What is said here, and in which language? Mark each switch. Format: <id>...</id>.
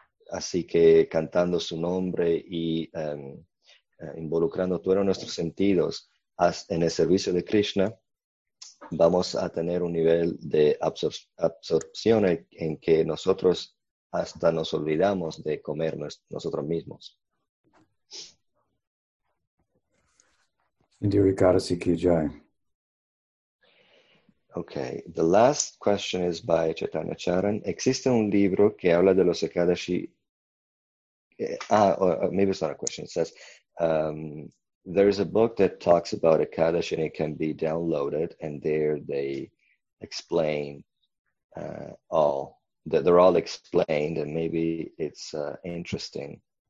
<es>Así que cantando su nombre y involucrando todos nuestros sentidos en el servicio de Krishna, vamos a tener un nivel de absorción en que nosotros hasta nos olvidamos de comer nosotros mismos.</es> <en>Okay, the last question is by Chaitanya Charan.</en> <es>¿Existe un libro que habla de los Ekadashi?</es> <en>Maybe it's not a question. It says, there is a book that talks about Ekadashi and it can be downloaded, and there they explain all, that they're all explained, and maybe it's interesting.</en>